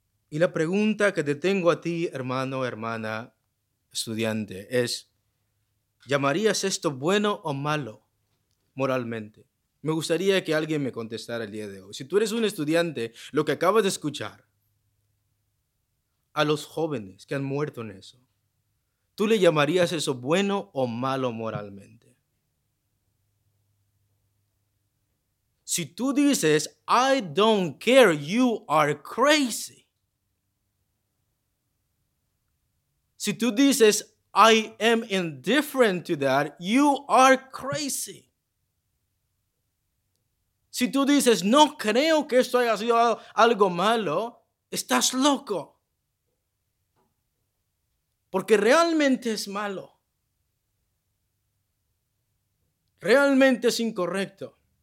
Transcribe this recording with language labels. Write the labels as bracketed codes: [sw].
[es] Y la pregunta que te tengo a ti, hermano, hermana, estudiante, es, ¿llamarías esto bueno o malo moralmente? Me gustaría que alguien me contestara el día de hoy. Si tú eres un estudiante, lo que acabas de escuchar, a los jóvenes que han muerto en eso, ¿tú le llamarías eso bueno o malo moralmente? Si tú dices, [en] I don't care, you are crazy. [es] Si tú dices, [en] I am indifferent to that, you are crazy. [es] Si tú dices, no creo que esto haya sido algo malo, estás loco. Porque realmente es malo. Realmente es incorrecto.